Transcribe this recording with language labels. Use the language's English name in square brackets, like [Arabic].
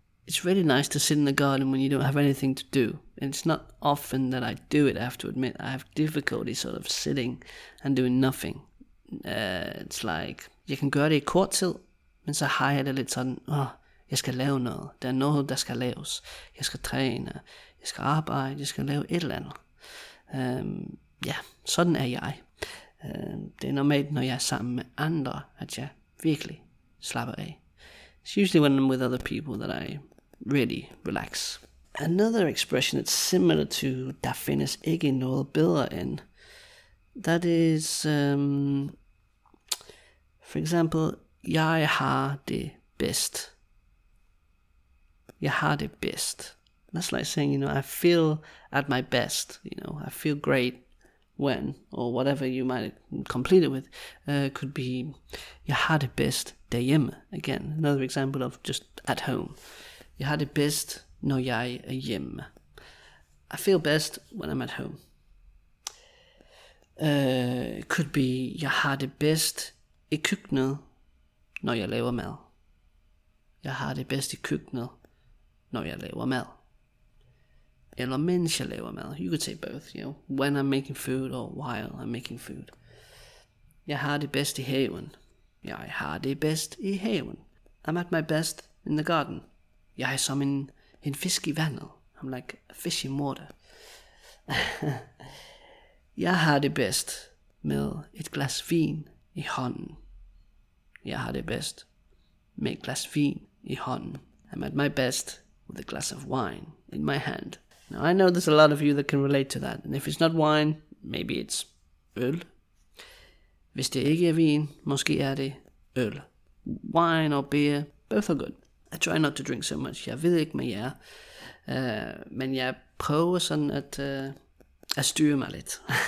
[English] It's really nice to sit in the garden when you don't have anything to do. And it's not often that I do it, I have to admit. I have difficulty sort of sitting and doing nothing. It's like, [Danish] jeg kan gøre det i kort tid, men så har jeg det lidt sådan, Jeg skal lave noget. Der er noget, der skal laves. Jeg skal træne. Jeg skal arbejde. Jeg skal lave et eller andet. Ja, sådan er jeg. Det er normalt, når jeg er sammen med andre, at jeg virkelig slapper af. [English] It's usually when I'm with other people that I really relax. Another expression that's similar to [Danish] der findes ikke noget bedre end, [English] that is, for example, [Danish] jeg har det bedst. Jeg har det bedst. [English] That's like saying, you know, I feel at my best, you know, I feel great when, or whatever you might complete it with, could be, [Danish] jeg har det bedst derhjemme. [English] Again, another example of just at home. [Danish] Jeg har det bedst, når jeg er hjemme. [English] I feel best when I'm at home. Could be, [Danish] jeg har det bedst i køkkenet, når jeg laver mad. Jeg har det bedst i køkkenet, når jeg laver mad. Eller mens jeg laver mad. [English] You could say both, you know, when I'm making food or while I'm making food. [Danish] Jeg har det bedst i haven. Jeg har det bedst i haven. [English] I'm at my best in the garden. [Danish] Jeg er som en fisk i vandet. [English] I'm like a fish in water. [Danish] Jeg har det bedst med et glas vin i hånden. Jeg har det bedst med et glas vin i hånden. [English] I'm at my best with a glass of wine in my hand. Now, I know there's a lot of you that can relate to that. And if it's not wine, maybe it's øl. [Danish] Hvis det ikke er vin, måske er det øl. [English] Wine or beer, both are good. I try not to drink so much. [Danish] Jeg ved ikke med jer. Men jeg prøver sådan at styre mig lidt.